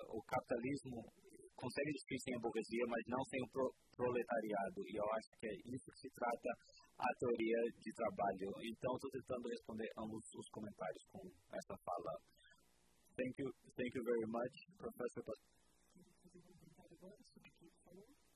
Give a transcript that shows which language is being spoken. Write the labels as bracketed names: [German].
[Portuguese] O capitalismo consegue existir sem a burguesia, mas não sem o proletariado. E eu acho que é isso que se trata a teoria de trabalho. Então, estou tentando responder ambos os comentários com essa fala. [English] Thank you very much, professor. [Portuguese] Quer fazer um comentário agora sobre o que ele falou?